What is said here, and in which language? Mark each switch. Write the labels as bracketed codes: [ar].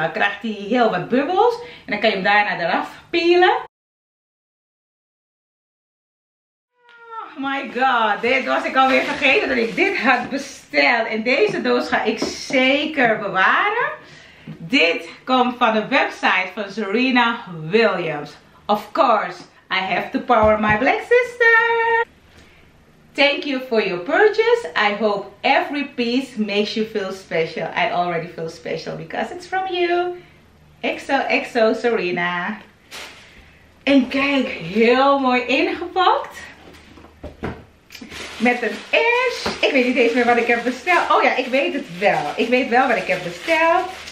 [nl] Dan krijgt hij heel wat bubbels. En dan kan je hem daarna eraf peelen. [en] Oh my god, [nl] dit was ik alweer vergeten dat ik dit had besteld. En deze doos ga ik zeker bewaren. Dit komt van de website van Serena Williams. [en] Of course, I have to power my black sister. Thank you for your purchase. I hope every piece makes you feel special. I already feel special because it's from you. XOXO Serena. [nl] En kijk, heel mooi ingepakt. Met een S. Ik weet niet eens meer wat ik heb besteld. Oh ja, ik weet het wel. Ik weet wel wat ik heb besteld.